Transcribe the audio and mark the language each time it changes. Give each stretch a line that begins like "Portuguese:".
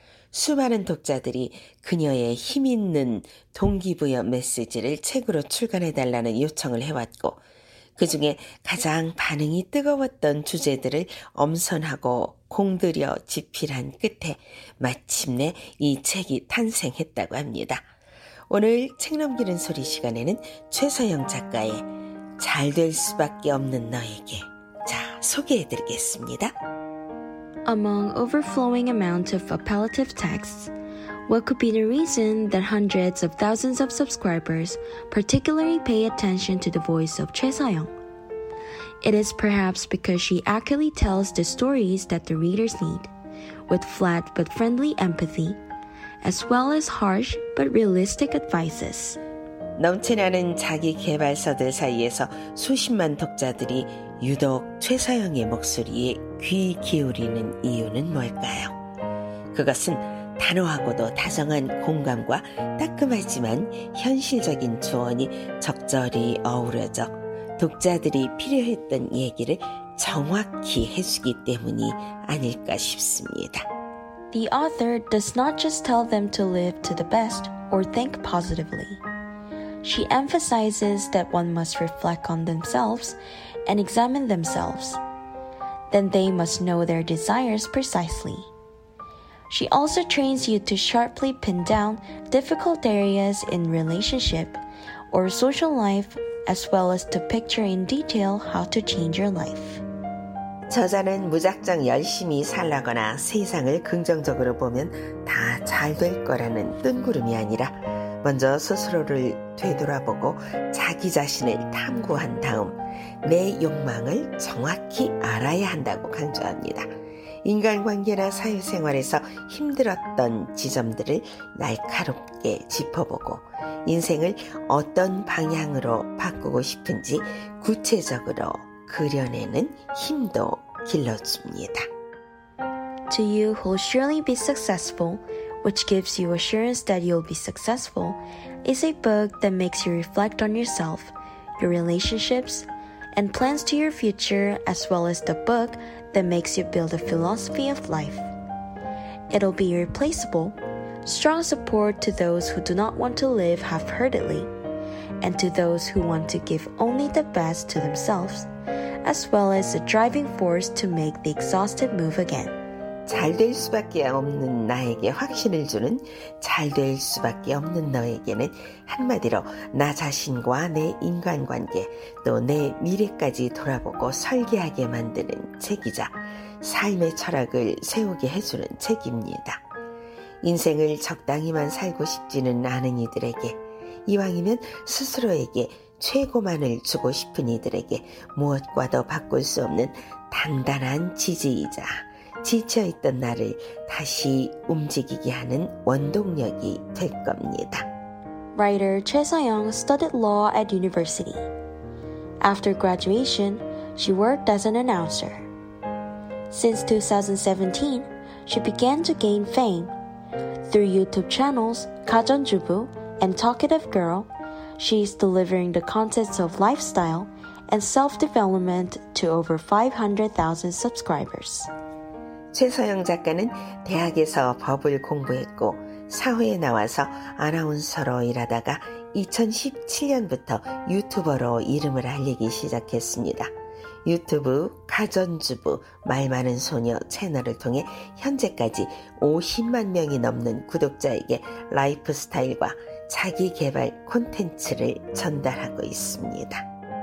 Korean: 수많은 독자들이 그녀의 힘있는 동기부여 메시지를 책으로 출간해달라는 요청을 해왔고 그 중에 가장 반응이 뜨거웠던 주제들을 엄선하고 공들여 집필한 끝에 마침내 이 책이 탄생했다고 합니다. 오늘 책 넘기는 소리 시간에는 최서영 작가의 잘될 수밖에 없는 너에게 자 소개해드리겠습니다.
English: Among overflowing amount of appellative texts, what could be the reason that hundreds of thousands of subscribers particularly pay attention to the voice of 최서영? It is perhaps because she accurately tells the stories that the readers need, with flat but friendly empathy, as well as harsh but realistic advices.
Korean: 넘치는 자기 개발서들 사이에서 수십만 독자들이 유독 최서영의 목소리에 귀 기울이는 이유는 뭘까요? 그것은 단호하고도 다정한 공감과 따끔하지만 현실적인 조언이 적절히 어우러져 독자들이 필요했던 얘기를 정확히 해주기 때문이 아닐까 싶습니다.
English: The author does not just tell them to live to the best or think positively. She emphasizes that one must reflect on themselves and examine themselves. Then they must know their desires precisely. She also trains you to sharply pin down difficult areas in relationship or social life, as well as to picture in detail how to change your life.
Korean: 저자는 무작정 열심히 살라거나 세상을 긍정적으로 보면 다 잘 될 거라는 뜬구름이 아니라 먼저 스스로를 되돌아보고 자기 자신을 탐구한 다음 내 욕망을 정확히 알아야 한다고 강조합니다. 인간관계나 사회생활에서 힘들었던 지점들을 날카롭게 짚어보고 인생을 어떤 방향으로 바꾸고 싶은지 구체적으로 그려내는 힘도 길러줍니다.
English: To you who'll surely be successful, which gives you assurance that you'll be successful, is a book that makes you reflect on yourself, your relationships, and plans to your future, as well as the book that makes you build a philosophy of life. It'll be irreplaceable, strong support to those who do not want to live half-heartedly, and to those who want to give only the best to themselves, as well as a driving force to make the exhausted move again.
Korean: 잘 될 수밖에 없는 나에게 확신을 주는 잘 될 수밖에 없는 너에게는 한마디로 나 자신과 내 인간관계 또 내 미래까지 돌아보고 설계하게 만드는 책이자 삶의 철학을 세우게 해주는 책입니다. 인생을 적당히만 살고 싶지는 않은 이들에게 이왕이면 스스로에게 최고만을 주고 싶은 이들에게 무엇과도 바꿀 수 없는 단단한 지지이자 지쳐있던 나를 다시 움직이게 하는 원동력이 될 겁니다.
English: Writer Choi Soyoung studied law at university. After graduation, she worked as an announcer. Since 2017, she began to gain fame. Through YouTube channels, 가전주부 and Talkative Girl, she is delivering the contents of lifestyle and self-development to over 500,000 subscribers.
Korean: 최서영 작가는 대학에서 법을 공부했고 사회에 나와서 아나운서로 일하다가 2017년부터 유튜버로 이름을 알리기 시작했습니다. 유튜브, 가전주부, 말 많은 소녀 채널을 통해 현재까지 50만 명이 넘는 구독자에게 라이프스타일과 자기 개발 콘텐츠를 전달하고 있습니다.